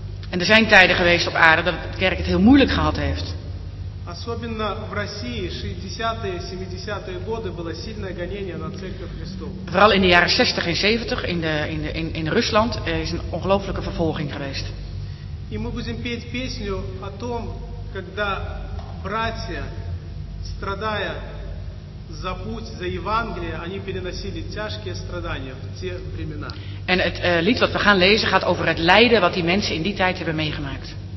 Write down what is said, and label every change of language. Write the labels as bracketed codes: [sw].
[nl] En er zijn tijden geweest op aarde dat de kerk het heel moeilijk gehad heeft. [ru] Особенно в России 60-е, 70-е годы было сильное гонение на Церковь Христову. [nl] Vooral in de jaren 60 en 70 in Rusland is een ongelooflijke vervolging geweest. [ru] И мы будем петь песню о том, когда братья, страдая за путь, за Евангелие, они переносили тяжкие страдания в те времена. [nl] En het lied wat we gaan lezen gaat over het lijden wat die mensen in die tijd hebben meegemaakt.